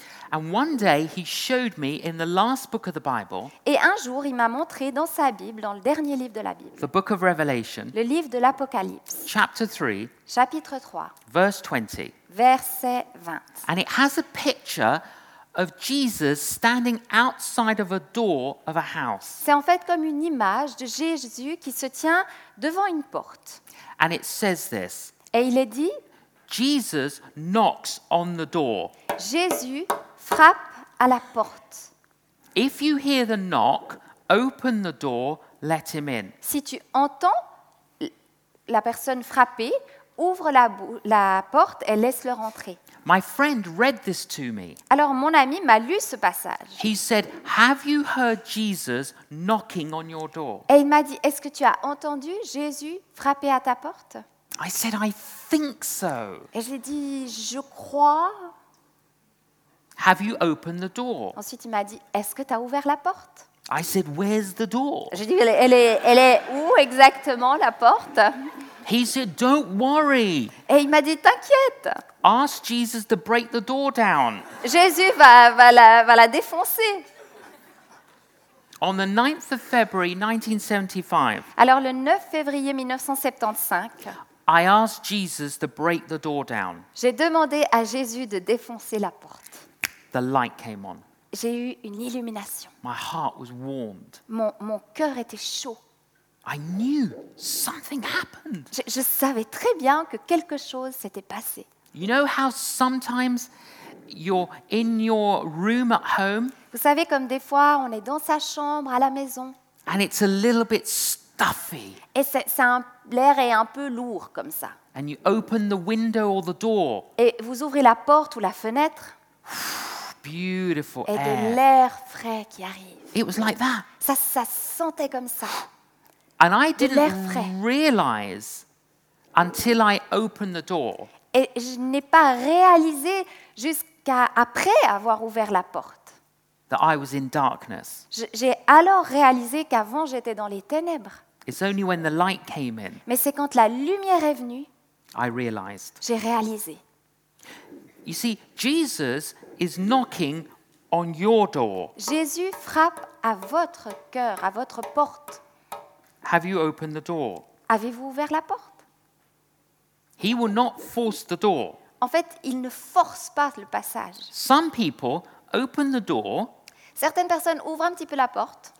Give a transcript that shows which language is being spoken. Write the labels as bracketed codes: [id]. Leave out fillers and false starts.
[en] And one day he showed me in the last book of the Bible. [fr] Et un jour il m'a montré dans sa Bible, dans le dernier livre de la Bible. [en] The book of Revelation. [fr] Le livre de l'Apocalypse. [en] Chapter 3. [fr] Chapitre 3. [en] Verse 20. [fr] Verset 20. [en] And it has a picture of Jesus standing outside of a door of a house. [fr] C'est en fait comme une image de Jésus qui se tient devant une porte. [en] And it says this. [fr] Et il est dit, [en] Jesus knocks on the door. [fr] Jésus frappe à la porte. [en] If you hear the knock, open the door, let him in. [fr] Si tu entends la personne frapper, ouvre la porte et laisse-le rentrer. [en] My friend read this to me. [fr] Alors mon ami m'a lu ce passage. [en] He said, "Have you heard Jesus knocking on your door?" [fr] Et il m'a dit, "Est-ce que tu as entendu Jésus frapper à ta porte?" [en] I said, "I think so." [fr] Et j'ai dit, "Je crois." [en] "Have you opened the door?" [fr] Ensuite, il m'a dit, "Est-ce que tu as ouvert la porte?" [en] I said, "Where's the door?" [fr] J'ai dit, "Elle est où exactement la porte?" [en] He said, "Don't worry." [fr] Et il m'a dit, "T'inquiète." [en] "Ask Jesus to break the door down." [fr] Jésus va la défoncer. [en] On the 9th of February 1975. [fr] Alors le 9 février 1975. [en] I asked Jesus to break the door down. [fr] J'ai demandé à Jésus de défoncer la porte. [en] The light came on. [fr] J'ai eu une illumination. [en] My heart was warmed. [fr] Mon cœur était chaud. [en] I knew something happened. [fr] Je savais très bien que quelque chose s'était passé. [en] You know how sometimes you're in your room at home. [fr] Vous savez comme des fois on est dans sa chambre à la maison. [en] And it's a little bit stuffy. [fr] Et l'air est un peu lourd comme ça. [en] And you open the window or the door. [fr] Et vous ouvrez la porte ou la fenêtre. [en] Beautiful [fr] et [en] air. [fr] Et de l'air frais qui arrive. [en] It was like that. [fr] Ça sentait comme ça. [en] And I didn't realize until I opened the door. [fr] Et je n'ai pas réalisé jusqu'à après avoir ouvert la porte. [en] That I was in darkness. [fr] J'ai alors réalisé qu'avant j'étais dans les ténèbres. [en] It's only when the light came in. [fr] Mais c'est quand la lumière est venue. [en] I realized. [fr] J'ai réalisé. [en] You see, Jesus is knocking on your door. [fr] Jésus frappe à votre cœur, à votre porte. [en] Have you opened the door? [fr] Avez-vous ouvert la porte? [en] He will not force the door. [fr] En fait, il ne force pas le passage. [en] Some people open the door. [fr] Certaines personnes ouvrent un petit peu la porte.